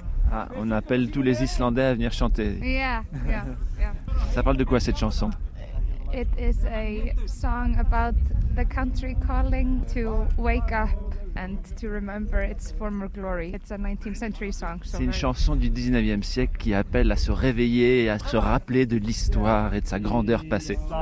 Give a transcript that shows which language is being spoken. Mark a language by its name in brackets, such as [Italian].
[French] Ah, on appelle tous les Islandais à venir chanter. [English] Yeah, yeah, [French] yeah. Ça parle de quoi cette chanson? [English] It is a song about the country calling to wake up and to remember its former glory. It's a 19th century song. [French] C'est une chanson du 19e siècle qui appelle à se réveiller et à se rappeler de l'histoire et de sa grandeur passée.